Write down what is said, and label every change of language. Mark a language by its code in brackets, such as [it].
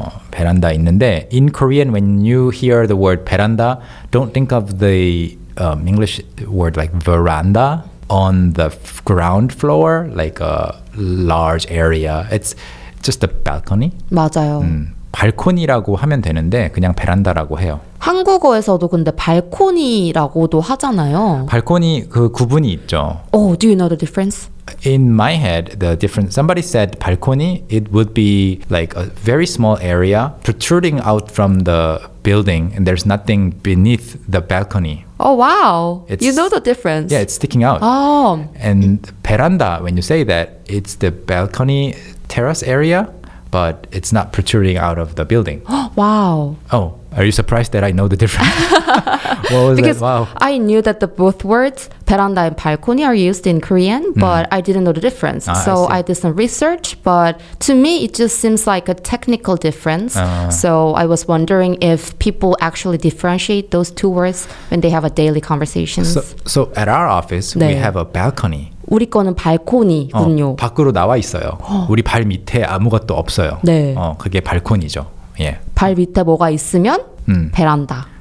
[ko] 베란다 있는데 [en] in Korean when you hear the word 베란다, don't think of the English word like veranda on the ground floor, like a large area. It's just a balcony. [ko] 맞아요. 발코니라고 하면 되는데 그냥 베란다라고 해요. 한국어에서도 근데 발코니라고도 하잖아요. 발코니 그 구분이 있죠. [en] Oh, do you know the difference? In my head, the difference, somebody said balcony, it would be like a very small area protruding out from the building and there's nothing beneath the balcony. Oh, wow. It's, you know the difference. Yeah, it's sticking out. Oh. And veranda, when you say that, it's the balcony terrace area, but it's not protruding out of the building. Wow. Oh, are you surprised that I know the difference? What was because that? Wow. I knew that the both words, veranda and balcony, are used in Korean, but I didn't know the difference. Ah, so I did some research, but to me, it just seems like a technical difference. So I was wondering if people actually differentiate those two words when they have a daily conversation. So at our office, we have a balcony. [ko] 우리 거는 발코니군요. 밖으로 나와 있어요. 우리 발 밑에 아무것도 없어요. 네. 그게 발코니죠. 예. 발 밑에 뭐가 있으면 베란다.